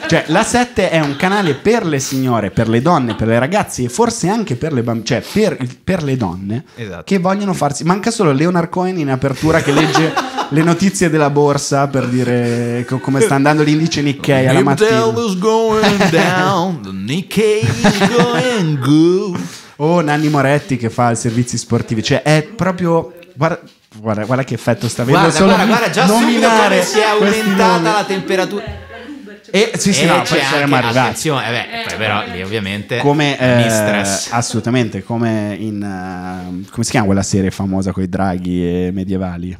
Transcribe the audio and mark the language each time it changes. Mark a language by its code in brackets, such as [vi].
[it] Cioè, la 7 è un canale per le signore, per le donne, per le ragazze e forse anche per le bambine, cioè per le donne, esatto, che vogliono farsi. Manca solo Leonard Cohen in apertura che legge le notizie della borsa per dire come sta andando l'indice Nikkei alla mattina. [en] Intel is going down, the Nikkei is going good. [it] O Nanni Moretti che fa i servizi sportivi, cioè è proprio. Guarda che effetto sta avendo. Guarda, solo guarda già nominare, subito come si è aumentata la temperatura. E sì, sì, no, poi saremmo arrivati. Però lì ovviamente come assolutamente come in come si chiama quella serie famosa con i draghi e medievali?